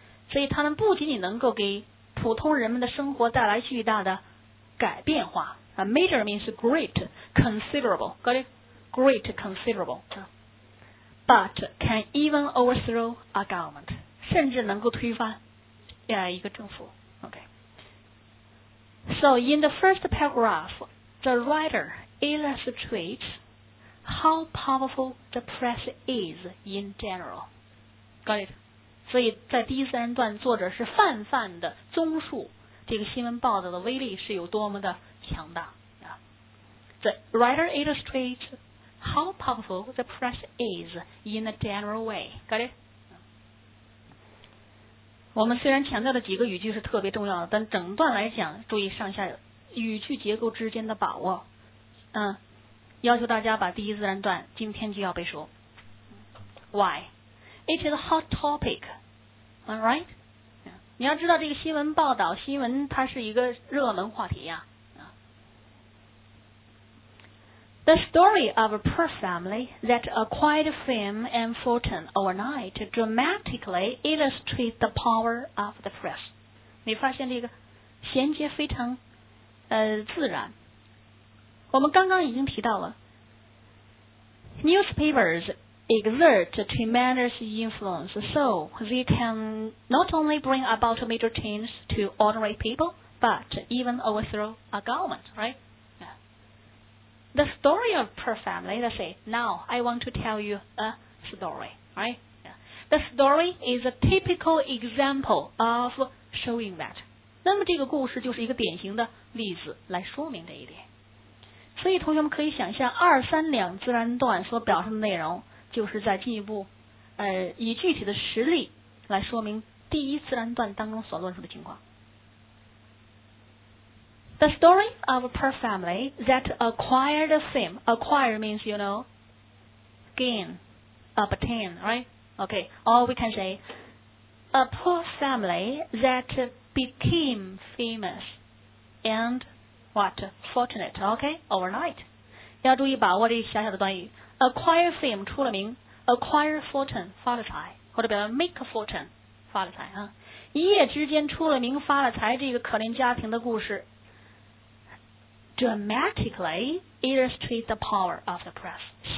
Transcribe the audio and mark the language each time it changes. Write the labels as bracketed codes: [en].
[zh] 所以他们不仅仅能够给普通人们的生活带来巨大的改变化。 [en] Major means great, considerable. Got it? Great, considerable. But can even overthrow a government. [zh] 甚至能够推翻一个政府。 [en] Okay. So in the first paragraph, the writer illustrates how powerful the press is in general. Got it? [zh] 所以在第三段作者是泛泛的综述这个新闻报道的威力是有多么的强大。 [en] The writer illustrates how powerful the press is in a general way. Got it? [zh] 我们虽然强调的几个语句是特别重要的，但整段来讲，注意上下语句结构之间的把握。要求大家把第一自然段今天就要背熟。 [en] Why? It is a hot topic. Alright? [zh] 你要知道这个新闻报道，新闻它是一个热门话题呀。 [en] The story of a poor family that acquired fame and fortune overnight dramatically illustrates the power of the press. [zh] 你发现这个衔接非常自然。我们刚刚已经提到了 [en] newspapers exert tremendous influence, so they can not only bring about major changes to ordinary people, but even overthrow a government, right? The story of poor family, let's say, now I want to tell you a story, right? Yeah. The story is a typical example of showing that. [zh] 那么这个故事就是一个典型的例子来说明这一点。所以同学们可以想象二三两自然段所表示的内容就是在进一步以具体的实例来说明第一自然段当中所论述的情况。 [en] The story of a poor family that acquired fame. Acquire means, you know, gain, obtain, right? Okay. Or we can say, a poor family that became famous and what? Fortunate, okay? Overnight. [zh] 要注意把握这小小的段语。 [en] Acquire fame, [zh] 出了名。 [en] Acquire fortune, [zh] 发了财。或者表示 [en] make a fortune, [zh] 发了财。一夜之间出了名发了财这个可怜家庭的故事。 [en] Dramatically illustrate the power of the press.